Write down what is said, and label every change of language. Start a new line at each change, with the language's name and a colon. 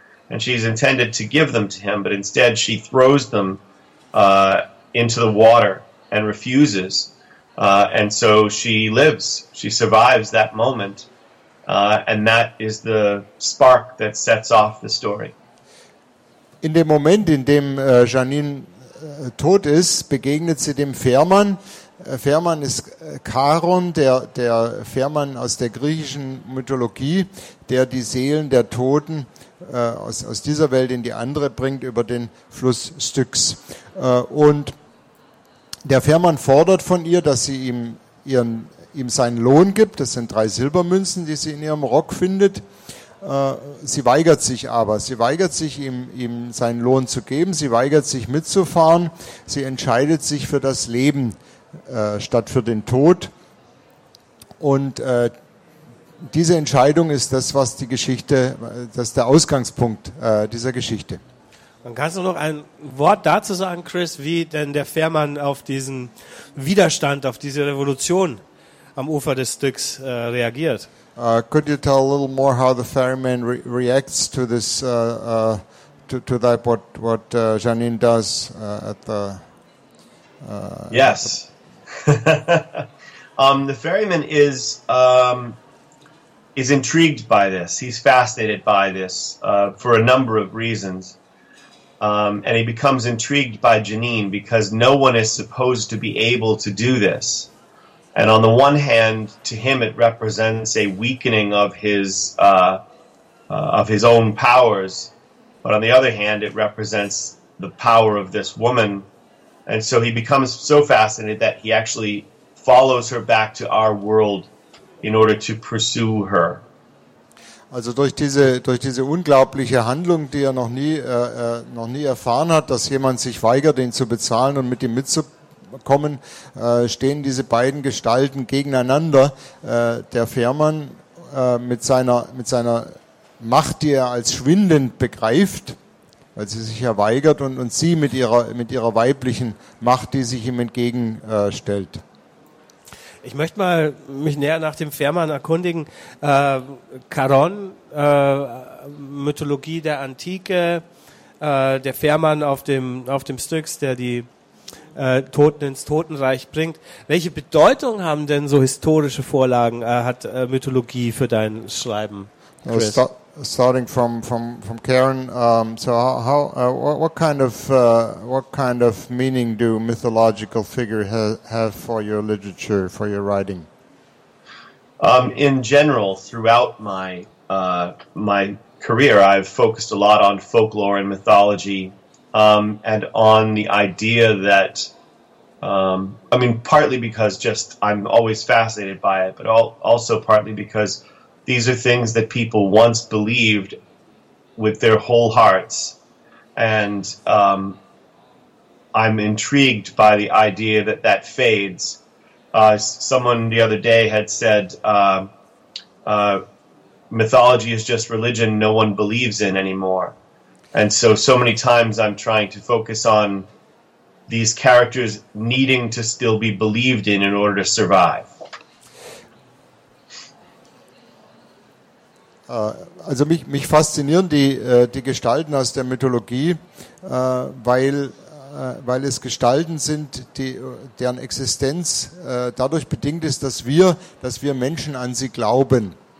English: And she's intended to give them to him, but instead she throws them into the water and refuses. And so she lives. She survives that moment. And that is the spark that sets off the story.
German: In dem Moment, in dem Janine tot ist, begegnet sie dem Fährmann. Fährmann ist Charon, der Fährmann aus der griechischen Mythologie, der die Seelen der Toten aus dieser Welt in die andere bringt über den Fluss Styx. Und der Fährmann fordert von ihr, dass sie ihm seinen Lohn gibt. Das sind 3 Silbermünzen, die sie in ihrem Rock findet. Sie weigert sich aber. Sie weigert sich, ihm seinen Lohn zu geben. Sie weigert sich, mitzufahren. Sie entscheidet sich für das Leben statt für den Tod. Und diese Entscheidung ist das, was die Geschichte, das ist der Ausgangspunkt dieser Geschichte. Dann kannst du noch ein Wort dazu sagen, Chris, wie denn der Fährmann auf diesen Widerstand, auf diese Revolution am Ufer des Styx reagiert?
English: Could you tell a little more how the ferryman reacts to this, to that, what Janine does at the? Yes. the ferryman is intrigued by this. He's fascinated by this for a number of reasons. And he becomes intrigued by Janine because no one is supposed to be able to do this. And on the one hand, to him, it represents a weakening of his own powers. But on the other hand, it represents the power of this woman. And so he becomes so fascinated that he actually follows her back to our world in order to pursue her.
German: Also durch diese unglaubliche Handlung, die er noch nie erfahren hat, dass jemand sich weigert, ihn zu bezahlen und mit ihm mitzukommen, stehen diese beiden Gestalten gegeneinander. Der Fährmann mit seiner Macht, die er als schwindend begreift, weil sie sich ja weigert, und sie mit ihrer weiblichen Macht, die sich ihm entgegenstellt. Ich möchte mal mich näher nach dem Fährmann erkundigen. Charon, Mythologie der Antike, der Fährmann auf dem Styx, der die Toten ins Totenreich bringt. Welche Bedeutung haben denn so historische Vorlagen, hat Mythologie für dein Schreiben, Chris?
English: Starting from Charon, so how what kind of meaning do mythological figures have for your literature, for your writing? In general, throughout my my career, I've focused a lot on folklore and mythology, and on the idea that partly because just I'm always fascinated by it, but also partly because these are things that people once believed with their whole hearts. And I'm intrigued by the idea that that fades. Someone the other day had said, mythology is just religion no one believes in anymore. And so many times I'm trying to focus on these characters needing to still be believed in order to survive.
German: Also mich faszinieren die Gestalten aus der Mythologie, weil es Gestalten sind, deren Existenz dadurch bedingt ist, dass wir Menschen an sie glauben.